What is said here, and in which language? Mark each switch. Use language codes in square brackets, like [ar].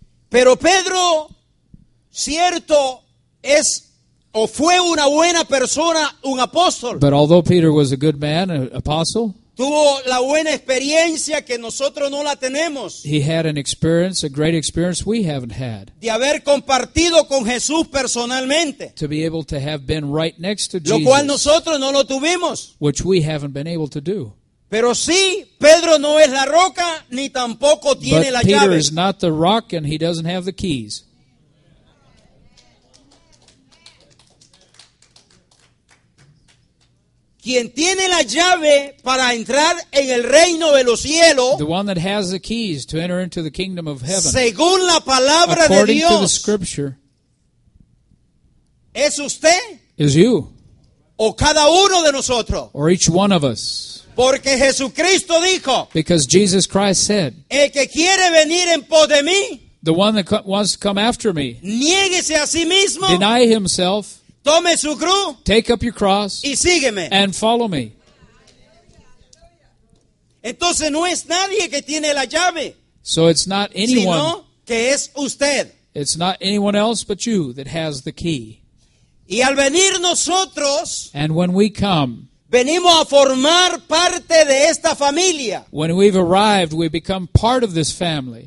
[es] Pero Pedro, cierto, es o fue una buena persona, un apóstol. [en] But although Peter was a good man, an apostle, [es] tuvo la buena experiencia que nosotros no la tenemos. [en] He had an experience, a great experience we haven't had. [es] De haber compartido con Jesús personalmente. [en] To be able to have been right next to Jesus. [es] Lo cual nosotros no lo tuvimos. [en] Which we haven't been able to do. [es] Pero sí, Pedro no es la roca, ni tampoco tiene [en] but [es] la [en] Peter [es] llave. [en] Peter is not the rock and he doesn't have the keys. [es] Quien tiene la llave para entrar en el reino de los cielos, [en] the one that has the keys to enter into the kingdom of heaven, [es] según la palabra de Dios, [en] according to the scripture, [es] ¿Es usted? [en] Is you. [es] O cada uno de nosotros. [en] Or each one of us. [es] Porque Jesucristo dijo. [en] Because Jesus Christ said. [es] El que quiere venir en pos de mí. [en] The one that wants to come after me. [es] Niéguese a sí mismo. [en] Deny himself. [es] Tome su cruz. [en] Take up your cross. [es] Y sígueme. [en] And follow me. [es] Entonces no es nadie que tiene la llave. [en] So it's not anyone. [es] Sino que es usted. [en] It's not anyone else but you that has the key. [es] Y al venir nosotros, [en] and when we come, [es] venimos a formar parte de esta familia. [en] When we've arrived, we become part of this family.